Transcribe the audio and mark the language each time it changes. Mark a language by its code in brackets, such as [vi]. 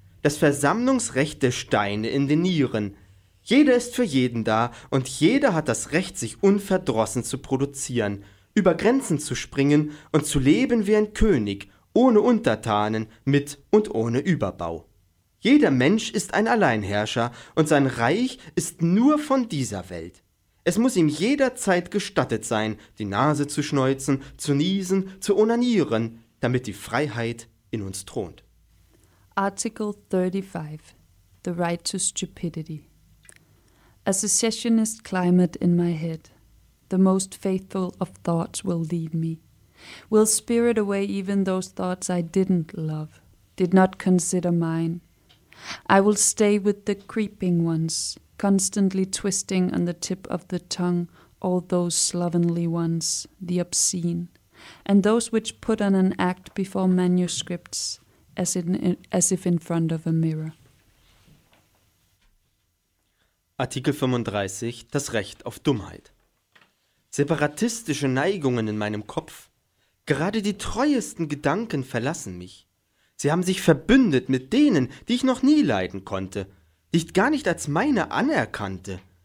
[de] Das Versammlungsrecht der Steine in den Nieren. Jeder ist für jeden da und jeder hat das Recht, sich unverdrossen zu produzieren, über Grenzen zu springen und zu leben wie ein König, ohne Untertanen, mit und ohne Überbau. Jeder Mensch ist ein Alleinherrscher und sein Reich ist nur von dieser Welt. Es muss ihm jederzeit gestattet sein, die Nase zu schneuzen, zu niesen, zu onanieren, damit die Freiheit in uns thront. [en] Article 35, the right to stupidity. A secessionist climate in my head, the most faithful of thoughts will lead me. Will spirit away even those thoughts I didn't love, did not consider mine. I will stay with the creeping ones, constantly twisting on the tip of the tongue all those slovenly ones, the obscene, and those which put on an act before manuscripts, as if in front of a mirror. [de] Artikel 35, das Recht auf Dummheit. Separatistische Neigungen in meinem Kopf. Gerade die treuesten Gedanken verlassen mich. Sie haben sich verbündet mit denen, die ich noch nie leiden konnte, die ich gar nicht als meine anerkannte.